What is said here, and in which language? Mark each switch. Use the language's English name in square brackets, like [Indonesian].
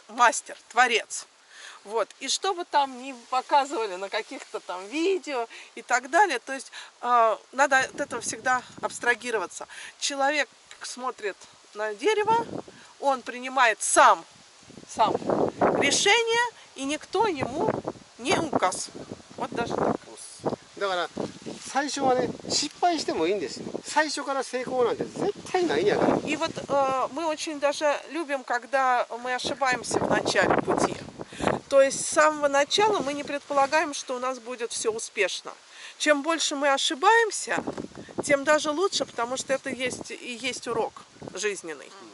[Russian] Мастер, творец. Вот. И что бы там ни показывали на каких-то там видео и так далее, то есть надо от этого всегда абстрагироваться. Человек смотрит на дерево, он принимает сам решение, и никто ему не указ. Вот даже так. [Japanese] だから最初はね失敗してもいいんですよ。最初から成功なんて絶対ないんやから。 [Russian] И вот мы очень даже любим, когда мы ошибаемся в начале пути. То есть с самого начала мы не предполагаем, что у нас будет все успешно. Чем больше мы ошибаемся, тем даже лучше, потому что это есть и есть урок жизненный.